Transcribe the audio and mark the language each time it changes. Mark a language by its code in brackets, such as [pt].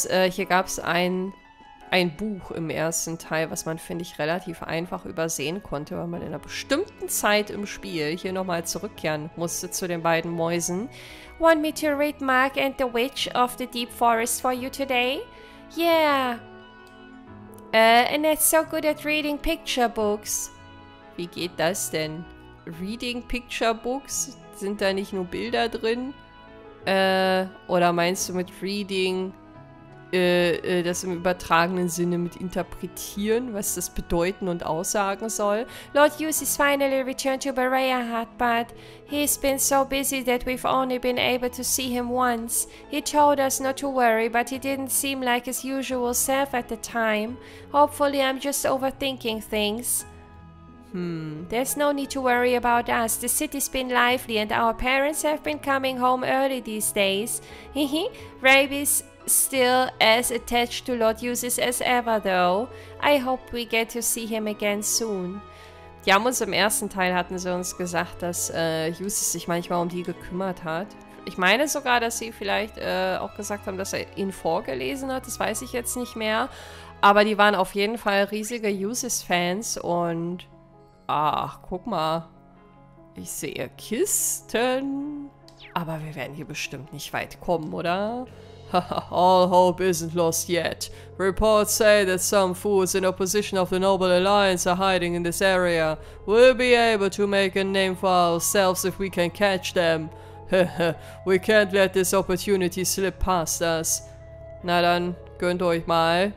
[de] Hier gab es ein Buch im ersten Teil, was man, finde ich, relativ einfach übersehen konnte, weil man in einer bestimmten Zeit im Spiel hier nochmal zurückkehren musste zu den beiden Mäusen. [en] Want me to read Mark and the Witch of the Deep Forest for you today? Yeah. And it's so good at reading picture books. [de] Wie geht das denn? [en] Reading picture books? [de] Sind da nicht nur Bilder drin? Oder meinst du mit reading... das im übertragenen Sinne mit interpretieren, was das bedeuten und aussagen soll. [en] Lord Hughes is finally returned to Berea Hut, but he's been so busy that we've only been able to see him once. He told us not to worry, but he didn't seem like his usual self at the time. Hopefully I'm just overthinking things. There's no need to worry about us. The city's been lively and our parents have been coming home early these days. Rabies still as attached to Lord Eustace as ever, though. I hope we get to see him again soon. [de] Die haben uns im ersten Teil, hatten sie uns gesagt, dass Eustace sich manchmal um die gekümmert hat. Ich meine sogar, dass sie vielleicht auch gesagt haben, dass er ihn vorgelesen hat. Das weiß ich jetzt nicht mehr. Aber die waren auf jeden Fall riesige Eustace-Fans und... Ach, guck mal. Ich sehe Kisten. Aber wir werden hier bestimmt nicht weit kommen, oder? [en] All hope isn't lost yet. Reports say that some fools in opposition of the Noble Alliance are hiding in this area. We'll be able to make a name for ourselves if we can catch them. We can't let this opportunity slip past us. [de] Na dann, gönnt euch mal.